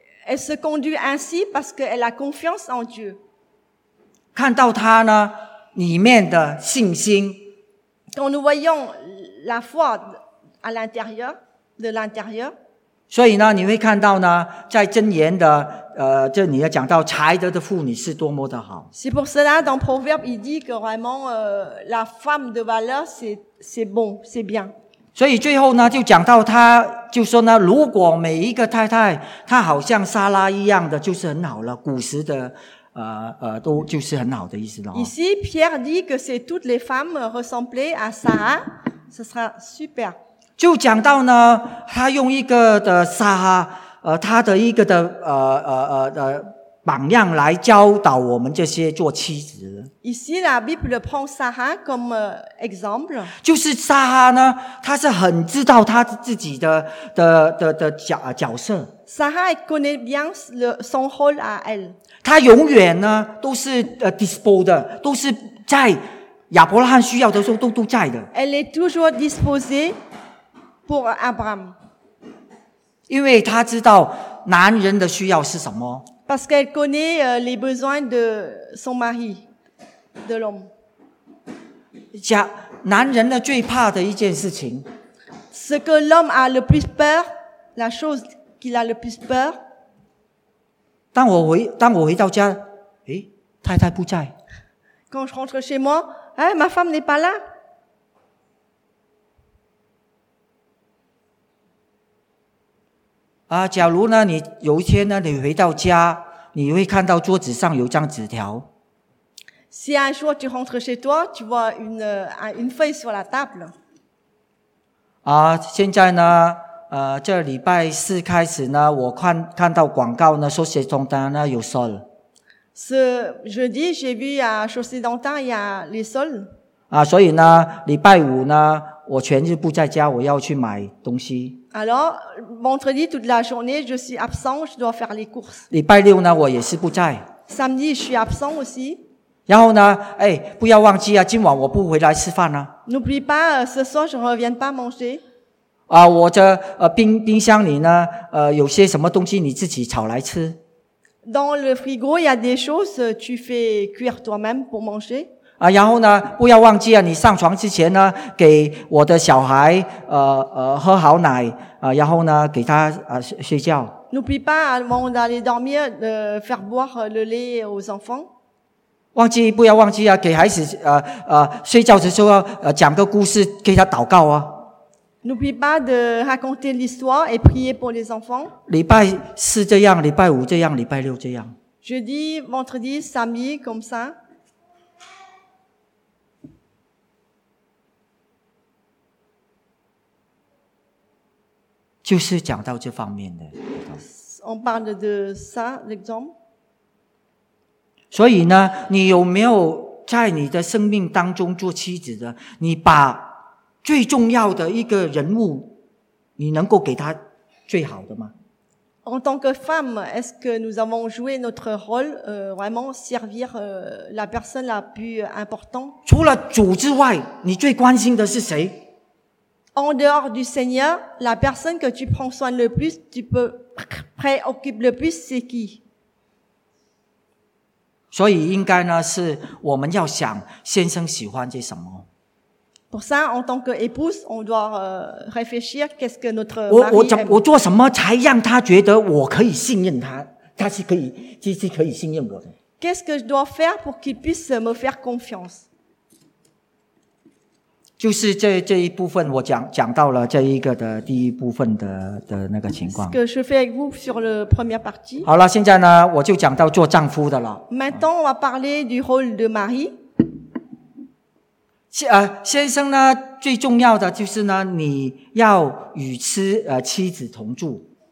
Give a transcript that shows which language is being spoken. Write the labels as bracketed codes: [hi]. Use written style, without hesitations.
[fr] Elle se conduit ainsi parce qu'elle a confiance en Dieu. [zh] 看到她呢里面的信心。 [fr] Quand nous voyons la foi à l'intérieur, de l'intérieur. [zh] 所以呢，你会看到呢，在箴言的。这你要讲到才德的妇女是多么的好。 [fr] C'est pour cela, dans Proverbe, il dit que vraiment, la femme de valeur, c'est bon, c'est bien. [zh] 所以最后呢，就讲到他，就说呢，如果每一个太太，她好像莎拉一样的，就是很好了。古时的，都就是很好的意思了。 [fr] Ici, Pierre dit que si toutes les femmes ressemblaient à Sarah, ce sera super. [zh] 就讲到呢，他用一个的莎拉。他的一个的榜样来教导我们这些做妻子。 [fr] Ici, la Bible prend Sarah comme exemple. [zh] 就是莎哈呢，他是很知道他自己的角色。 [fr] Sarah connaît bien son rôle à elle. [zh] 他永远呢都是disposed, 都是在亚伯拉罕需要的时候都在的。 [fr] Elle est toujours disposée pour Abraham. [zh] 因为他知道男人的需要是什么。 [fr] Parce qu'elle connaît les besoins de son mari, de l'homme. [zh] 男人的最怕的一件事情。 [fr] Ce que l'homme a le plus peur, la chose qu'il a le plus peur. [zh] 当我回到家，诶，太太不在。 [fr] Quand je rentre chez moi, hein, ma femme n'est pas là. [zh] 假如呢，你有一天呢，你回到家，你会看到桌子上有张纸条。 [fr] Si un jour tu rentres chez toi, tu vois une feuille sur la table. [zh] 现在呢，这礼拜四开始呢，我看到广告呢，Chaussée d'antan呢有sol。 [fr] Ce jeudi, j'ai vu à Chaussée d'antan il y a les sols. [zh] 所以呢，礼拜五呢。我全日不在家，我要去买东西。 [fr] Alors, vendredi toute la journée, je suis absent, je dois faire les courses. [zh] 礼拜六呢，我也是不在。 [fr] Samedi, je suis absent aussi. [zh] 然后呢，哎，不要忘记啊，今晚我不回来吃饭啊。 [fr] N'oublie pas, ce soir, je ne reviens pas manger. [zh] 我的冰箱里呢，有些什么东西你自己炒来吃。 [fr] Dans le frigo, il y a des choses tu fais cuire toi-même pour manger. [zh] 然后呢，不要忘记啊！你上床之前呢，给我的小孩喝好奶然后呢，给他睡觉。 [fr] N'oublie pas avant d'aller dormir de faire boire le lait aux enfants. [zh] 忘记不要忘记啊，给孩子睡觉的时候讲个故事给他祷告啊。 [fr] N'oublie pas de raconter l'histoire et prier pour les enfants. [zh] 礼拜四这样，礼拜五这样，礼拜六这样。 [fr] Jeudi, vendredi, samedi, comme ça. [zh] 就是讲到这方面的。 [fr] On parle de ça, l'exemple. [zh] 所以呢，你有没有在你的生命当中做妻子的？你把最重要的一个人物，你能够给他最好的吗 [fr] ？En tant que femme, est-ce que nous avons joué notre rôle, vraiment servir la personne la plus importante？ [zh] 除了主之外，你最关心的是谁 [fr] ？En dehors du Seigneur, la personne que tu prends soin le plus, tu peux préoccupe le plus, c'est qui？ [zh] 所以应该呢，是我们要想先生喜欢些什么。 [fr] Pour ça, en tant qu'épouse, on doit réfléchir qu'est-ce que notre mari [zh] 我做什么才让他觉得我可以信任他？他是可以，就是可以信任我的。 [fr] Qu'est-ce que je dois faire pour qu'il puisse me faire confiance？ [zh] 就是这一部分，我讲到了这一个的第一部分的那个情况。 [fr] Ce que je fais avec vous sur la première partie。 [zh] 好了，现在呢，我就讲到做丈夫的了。 [fr] Maintenant, on va parler du rôle de mari。 [zh] 先生呢，最重要的就是呢，你要与妻子同住。